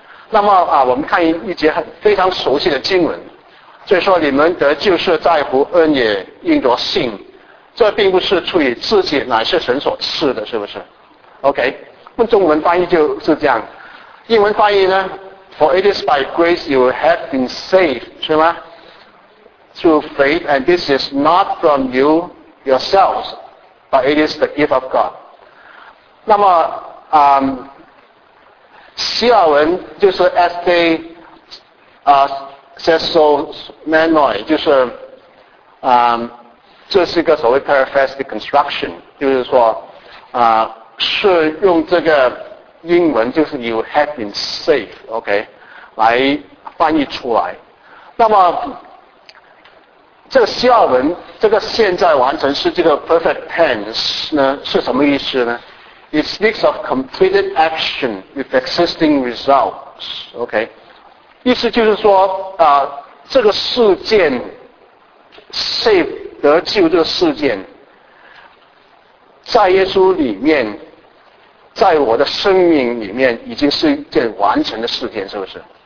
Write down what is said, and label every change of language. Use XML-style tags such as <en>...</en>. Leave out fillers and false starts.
<zh>那么啊，我们看一节很非常熟悉的经文，就是说你们得救是在乎恩，也应着信，这并不是出于自己，乃是神所赐的，是不是 ？OK， 用中文翻译就是这样。英文翻译呢？</zh> <en>For it is by grace you have been saved, 是吗？ Through faith, and this is not from you yourselves, but it is the gift of God.</en> <zh>那么，希腊文就是 este sesomenoi， 就是这是一个所谓 paraphrastic construction， 就是说是用这个英文，就是 you have been saved, OK。来翻译出来。那么这个希腊文这个现在完成是这个 perfect tense 呢，是什么意思呢？</zh> <en>It speaks of completed action with existing results, OK。</en> <zh>意思就是说这个事件 save 得救这个事件在耶稣里面，在我的生命里面已经是一件完成的事件，是不是？</zh>